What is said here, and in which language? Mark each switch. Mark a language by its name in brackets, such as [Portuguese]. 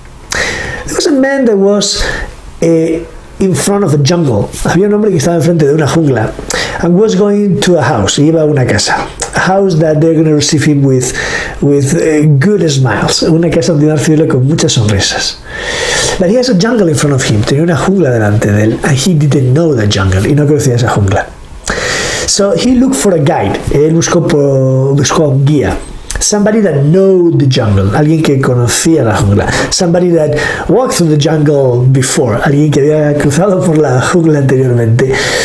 [English] There was a man that was in front of a jungle. [Spanish] Había un hombre que estaba enfrente de una jungla. [English] And was going to a house. [Spanish] Iba a una casa. [English] A house that they're going to receive him with good smiles. [Spanish] Una casa donde iba a recibirlo con muchas sonrisas. [English] But he has a jungle in front of him. [Spanish] Tenía una jungla delante de él. [English] And he didn't know the jungle. [Spanish] Y no conocía esa jungla. [English] So he looked for a guide, [Spanish] él buscó un guía, [English] somebody that knew the jungle, [Spanish] alguien que conocía la jungla, [English] somebody that walked through the jungle before, [Spanish] alguien que había cruzado por la jungla anteriormente.